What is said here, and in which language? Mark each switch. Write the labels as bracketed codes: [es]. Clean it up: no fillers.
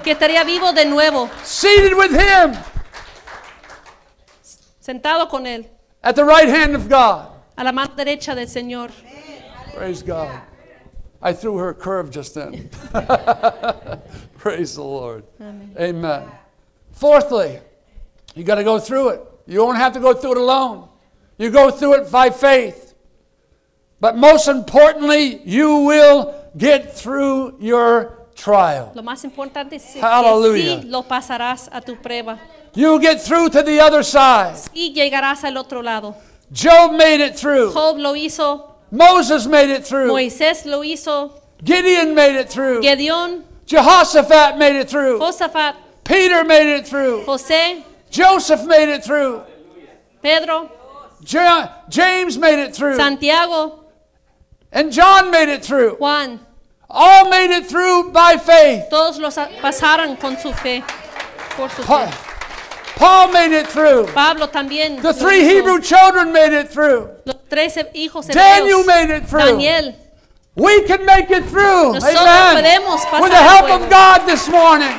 [es] Que estaría vivo de nuevo. [en] Seated with him. [es] Sentado con él. [en] At the right hand of God. [es] A la mano derecha del Señor. [en] Praise God. I threw her a curve just then. Praise the Lord. Amen. Amen. Fourthly, you got to go through it. You won't have to go through it alone. You go through it by faith. But most importantly, you will get through your trial. [es] Lo más importante es [en] Hallelujah. [es] Que sí lo pasarás a tu prueba. [en] You get through to the other side. [es] Sí llegarás al otro lado. [en] Job made it through. [es] Job lo hizo. [en] Moses made it through. [es] Moisés lo hizo. [en] Gideon made it through. [es] Gedeón. [en] Jehoshaphat made it through. [es] Josaphat. [en] Peter made it through. [es] José. [en] Joseph made it through. [es] Pedro. [en] James made it through. [es] Santiago. [en] And John made it through. [es] Juan. [en] All made it through by faith. [es] Todos los pasaron con su fe. Por su fe. [en] Paul made it through. [es] Pablo también. [en] The three Hebrew children made it through. [es] Los tres hijos de Daniel Dios. [en] Made it through. [es] Daniel. [en] We can make it through. [es] Nosotros [en] Amen. [es] Podemos pasar [en] With the help of God this morning.